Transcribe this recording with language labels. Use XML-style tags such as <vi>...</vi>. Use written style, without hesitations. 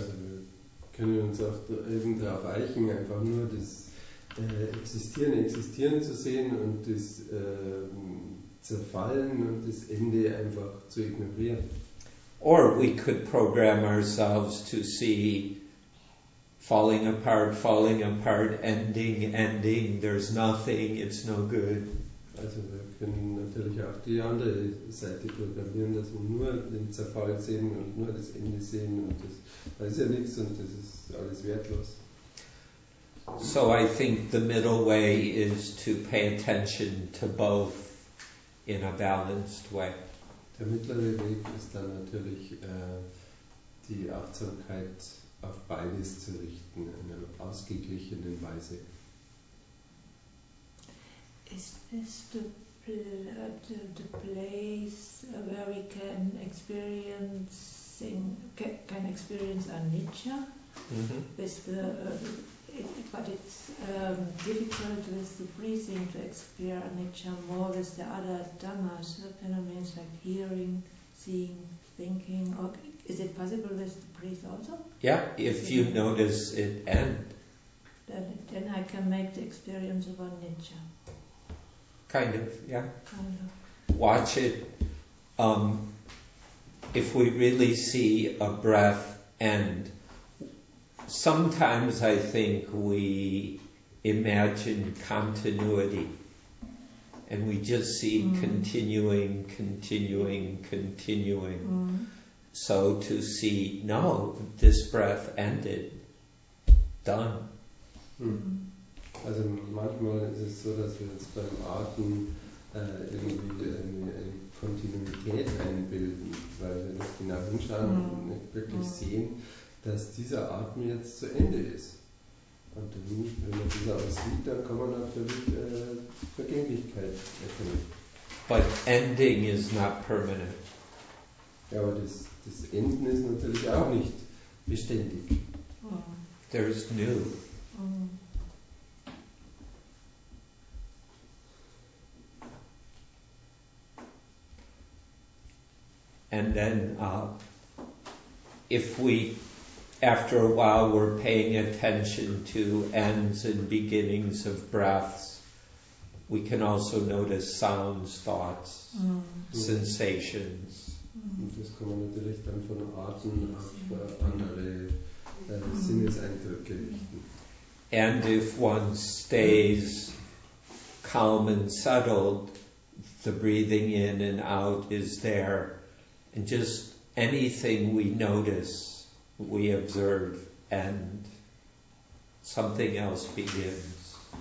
<de>Also wir können uns auch eben darauf eichen, einfach nur das Existieren zu sehen und das Zerfallen und das Ende einfach zu ignorieren.</de> <en>Or we could program ourselves to see falling apart, ending, there's nothing, it's no good.</en> <de>Also wir können natürlich auch die andere Seite programmieren, dass wir nur den Zerfall sehen und nur das Ende sehen und das ist ja nichts und das ist alles wertlos.</de> <en>So I think the middle way is to pay attention to both in a balanced way.</en> <de>Der mittlere Weg ist dann natürlich die Achtsamkeit auf beides zu richten, in einer ausgeglichenen Weise.</de> <en>Is this the place where we can experience anicca? Mm-hmm. It's difficult with the breathing to experience anicca more with the other dhammas, the phenomena like hearing, seeing, thinking, or is it possible with the breath also? Yeah, if you notice it end. Then I can make the experience of anicca. Kind of, yeah. Kind of. Watch it. If we really see a breath end, sometimes I think we imagine continuity. And we just see continuing. Mm. So to see, no, this breath ended, done. Mm.</en> <de>Also manchmal ist es so, dass wir uns beim Atmen irgendwie eine Kontinuität einbilden, weil wir das genau hinschauen und nicht wirklich sehen, dass dieser Atem jetzt zu Ende ist. Und dann, wenn man das aussieht, dann kann man natürlich Vergänglichkeit erkennen.</de> <en>But ending is not permanent.</en> <de>Ja, aber das Enden ist natürlich auch nicht beständig.</de> <en>Oh. There is new. Oh. And then, if we, after a while, we're paying attention to ends and beginnings of breaths, we can also notice sounds, thoughts, sensations.</en> <de>Und das kann man natürlich dann von Atem auf andere Sinneseindrücke richten.</de> <en>And if one stays calm and settled, the breathing in and out is there. And just anything we notice, we observe, and something else begins.</en>